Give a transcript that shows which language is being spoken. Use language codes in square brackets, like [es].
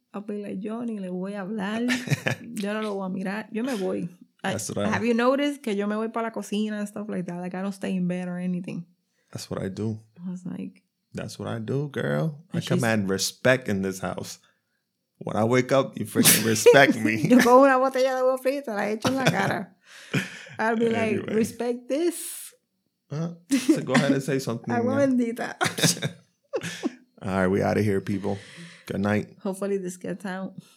[en] I'll be like, [es] yo, ni le voy a hablar. Yo no lo voy a mirar. Yo me voy. [en] Have you noticed [es] que yo me voy para la cocina [en] and stuff like that? Like, I don't stay in bed or anything. That's what I do. I was like... That's what I do, girl. I command respect in this house. When I wake up, you freaking respect me. [es] Yo con una botella de agua frita la he hecho en la cara. [en] I'll be anyway. Like, respect this. So go ahead and say something. [es] Agua bendita. [en] All right, we out of here, people. Good night. Hopefully this gets out.